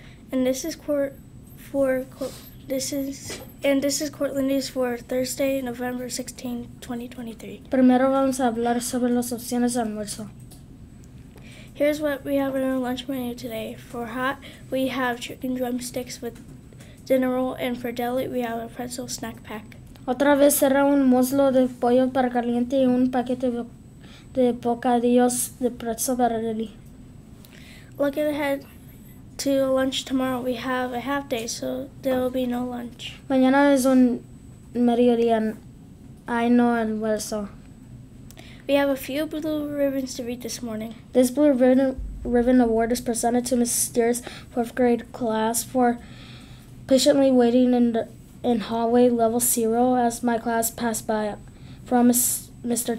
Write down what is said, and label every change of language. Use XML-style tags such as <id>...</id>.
<en>And this is Cortland News for Thursday, November 16, 2023.</en> <es>Primero vamos a hablar sobre las opciones de almuerzo.</es> <en>Here's what we have in our lunch menu today. For hot, we have chicken drumsticks with dinner roll, and for deli, we have a pretzel snack pack.</en> <es>Otra vez será un muslo de pollo para caliente y un paquete de bocadillos de pretzel para deli.</es> <en>Looking ahead to lunch tomorrow, we have a half day, so there will be no lunch.</en> <es>Mañana es un mediodía. Ay, no almuerzo.</es> <en>We have a few blue ribbons to read this morning. This blue ribbon award is presented to Ms. Steer's 4th grade class for patiently waiting in hallway level 0 as my class passed by from Mr.</en>